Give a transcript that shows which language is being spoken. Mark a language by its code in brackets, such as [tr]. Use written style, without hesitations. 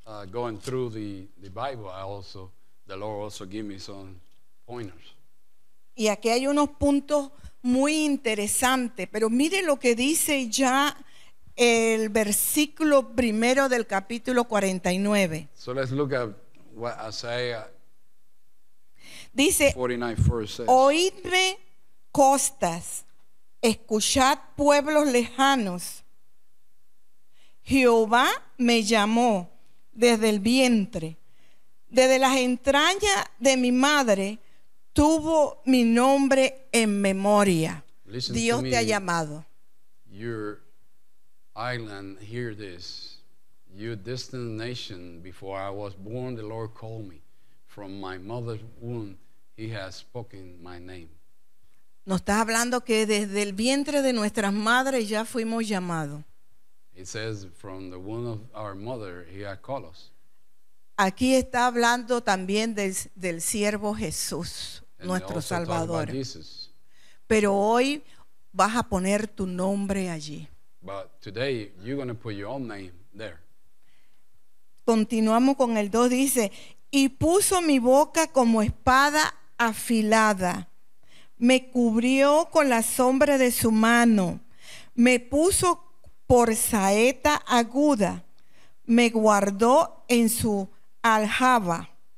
[en] Going through the Bible, I also, the Lord also gave me some pointers. [es] Y aquí hay unos puntos muy interesantes, pero mire lo que dice ya el versículo primero del capítulo 49. [en] So let's look at what Isaiah [es] dice, [en] 49 first says. [es] Oídme costas, escuchad pueblos lejanos. Jehová me llamó desde el vientre, desde las entrañas de mi madre. Tuvo mi nombre en memoria. [en] Listen, [es] Dios [en] to me, [es] te ha llamado. [en] Your island, hear this. You distant nation, before I was born, the Lord called me. From my mother's womb, He has spoken my name. [es] Nos está hablando que desde el vientre de nuestras madres ya fuimos llamados. [en] It says from the womb of our mother he has called us. [es] Aquí está hablando también del siervo Jesús, [en] and [es] nuestro Salvador. [en] Jesus. [es] Pero hoy vas a poner tu nombre allí. [en] But today you're going to put your own name there. [es] Continuamos con el 2, dice, y puso mi boca como espada afilada, me cubrió con la sombra de su mano, me puso por saeta aguda, me guardó en su aljaba.